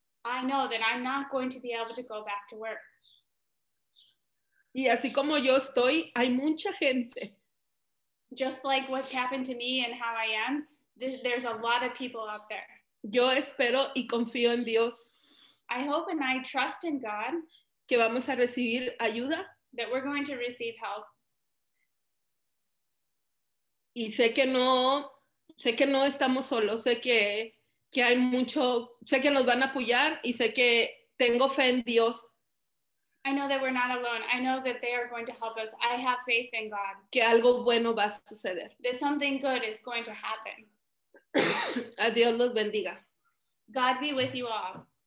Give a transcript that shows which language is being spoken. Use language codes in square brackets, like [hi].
[en] I know that I'm not going to be able to go back to work. [es] Y así como yo estoy, hay mucha gente. [en] Just like what's happened to me and how I am, there's a lot of people out there. [es] Yo espero y confío en Dios. [en] I hope and I trust in God. [es] Que vamos a recibir ayuda. [en] That we're going to receive help. [es] Y sé que no estamos solos. Sé que hay mucho. Sé que nos van a apoyar y sé que tengo fe en Dios. [en] I know that we're not alone. I know that they are going to help us. I have faith in God. [es] Que algo bueno va a suceder. [en] That something good is going to happen. [es] A Dios los bendiga. [en] God be with you all.